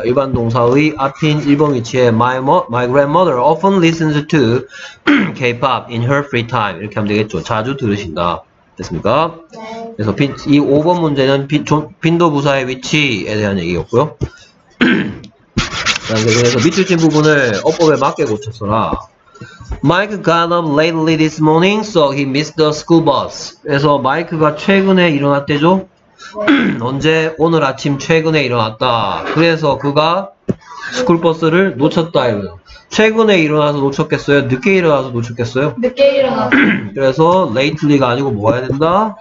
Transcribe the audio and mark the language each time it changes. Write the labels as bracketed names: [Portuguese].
[Korean] 일반 동사의 앞인 일본 위치에 [English] my grandmother often listens to K-pop in her free time. [Korean] 이렇게 하면 되겠죠. 자주 들으신다. 됐습니까? 네. 그래서 이 5번 문제는 빈도 부사의 위치에 대한 얘기였고요. 그래서 밑줄친 부분을 어법에 맞게 고쳤어라. [English] Mike got up lately this morning, so he missed the school bus. [Korean] 그래서 마이크가 최근에 일어났대죠? 언제? 오늘 아침 최근에 일어났다. 그래서 그가 스쿨버스를 놓쳤다. 최근에 일어나서 놓쳤겠어요? 늦게 일어나서 놓쳤겠어요? 늦게 일어나서. 그래서 lately가 아니고 뭐가 해야 된다?